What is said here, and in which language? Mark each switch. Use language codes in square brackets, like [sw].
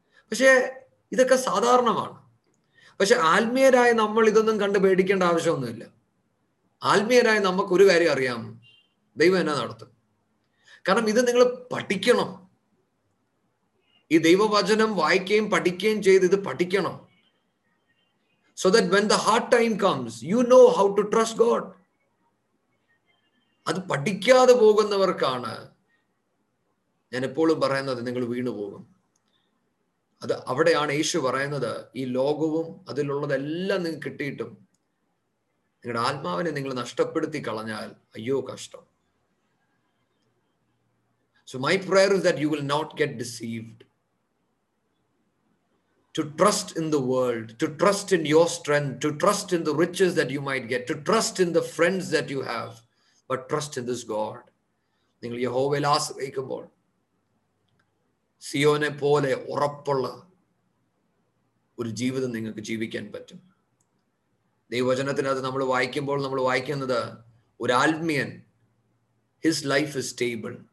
[ml] പക്ഷേ ഇതൊക്കെ സാധാരണമാണ്. പക്ഷെ ആത്മീയരായ നമ്മൾ ഇതൊന്നും കണ്ട് പേടിക്കേണ്ട ആവശ്യമൊന്നുമില്ല. ആത്മീയരായ നമുക്കൊരു കാര്യം അറിയാം, ദൈവം എന്നെ നടത്തും. കാരണം ഇത് നിങ്ങൾ പഠിക്കണം, ഈ ദൈവവചനം വായിക്കുകയും പഠിക്കുകയും ചെയ്ത് ഇത് പഠിക്കണം. [en] So that when the hard time comes, you know how to trust God. [ml] അത് പഠിക്കാതെ പോകുന്നവർക്കാണ് ഞാൻ എപ്പോഴും പറയുന്നത് നിങ്ങൾ വീണു പോകും. അത് അവിടെയാണ് യേശു പറയുന്നത്, ഈ ലോകവും അതിലുള്ളതെല്ലാം നിങ്ങൾക്ക് കിട്ടിയിട്ടും നിങ്ങളുടെ ആത്മാവിനെ നിങ്ങൾ നഷ്ടപ്പെടുത്തി കളഞ്ഞാൽ അയ്യോ കഷ്ടം. [en] So my prayer is that you will not get deceived. To trust in the world, to trust in your strength, to trust in the riches that you might get, to trust in the friends that you have. But trust in this God. [ml] നിങ്ങൾ യഹോവയിൽ ആശ്രയിക്കുമ്പോൾ സിയോനെ പോലെ ഉറപ്പുള്ള ഒരു ജീവിതം നിങ്ങൾക്ക് ജീവിക്കാൻ പറ്റും. ദൈവവചനത്തിനകത്ത് നമ്മൾ വായിക്കുമ്പോൾ നമ്മൾ വായിക്കുന്നത് ഒരു ആത്മീയൻ, [en] His life is stable.